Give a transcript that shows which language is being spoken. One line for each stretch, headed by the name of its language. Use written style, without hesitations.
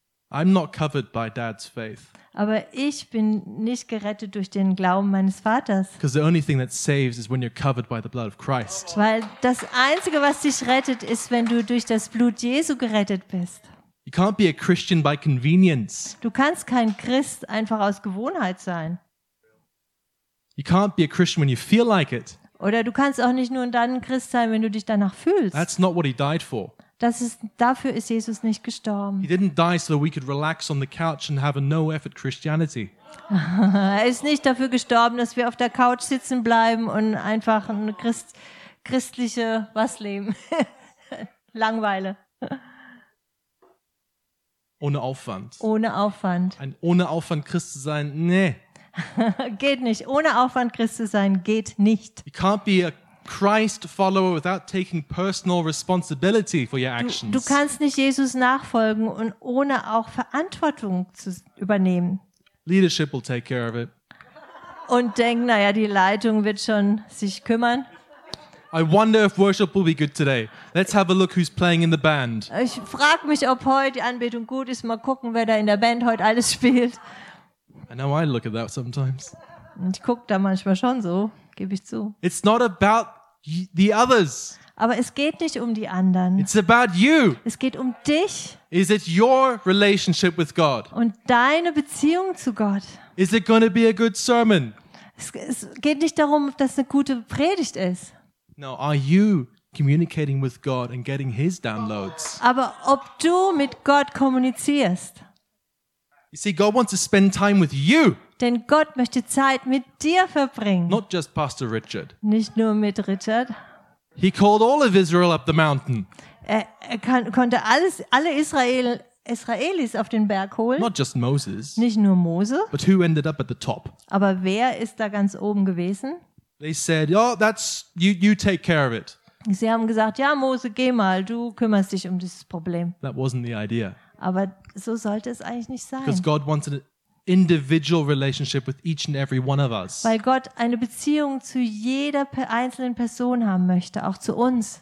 English: I'm not covered by Dad's faith.
German: Aber ich bin nicht gerettet durch den Glauben meines Vaters.
English: Because the only thing that saves is when you're covered by the blood of Christ.
German: Weil das Einzige, was dich rettet, ist, wenn du durch das Blut Jesu gerettet bist.
English: You can't be a Christian by convenience.
German: Du kannst kein Christ einfach aus Gewohnheit sein.
English: You can't be a Christian when you feel like it.
German: Oder du kannst auch nicht nur dann ein Christ sein, wenn du dich danach fühlst.
English: That's not what he died for.
German: Dafür ist Jesus nicht gestorben.
English: He didn't die so that we could relax on the couch and have a no effort Christianity.
German: Er ist nicht dafür gestorben, dass wir auf der Couch sitzen bleiben und einfach eine christliche was leben. Langweile. Ohne Aufwand. Ohne Aufwand. Ein ohne Aufwand Christ zu sein, nee. Geht nicht. Ohne Aufwand Christ zu sein, geht nicht.
English: You can't be a Christ follower without taking personal responsibility for your actions.
German: Du kannst nicht Jesus nachfolgen und ohne auch Verantwortung zu übernehmen.
English: Leadership will take care of it.
German: Und denk, naja, die Leitung wird schon sich kümmern.
English: I wonder if worship will be good today. Let's have a look who's playing in the band.
German: Ich frag mich, ob heute die Anbetung gut ist. Mal gucken, wer da in der Band heute alles spielt.
English: I know I look at that sometimes.
German: Ich guck da manchmal schon so, gebe ich zu.
English: It's not about the others.
German: Aber es geht nicht um die anderen.
English: It's about you.
German: Es geht um dich.
English: Is it your relationship with God?
German: Und deine Beziehung zu Gott.
English: Is it going to be a good sermon?
German: Es geht nicht darum, ob das eine gute Predigt ist.
English: No, are you communicating with God and getting his downloads?
German: Aber ob du mit Gott kommunizierst.
English: You see, God wants to spend time with you.
German: Denn Gott möchte Zeit mit dir verbringen.
English: Not just Pastor Richard.
German: Nicht nur mit Richard.
English: He called all of Israel up the mountain.
German: Er konnte alle Israelis auf den Berg holen.
English: Not just Moses.
German: Nicht nur Mose.
English: But who ended up at the top?
German: Aber wer ist da ganz oben gewesen?
English: They said, "Oh, that's you take care of it."
German: Sie haben gesagt, ja, Mose, geh mal, du kümmerst dich um dieses Problem.
English: That wasn't the idea.
German: Aber so sollte es eigentlich nicht sein.
English: Because God wants an individual relationship with each and every one of us.
German: Weil Gott eine Beziehung zu jeder einzelnen Person haben möchte, auch zu uns.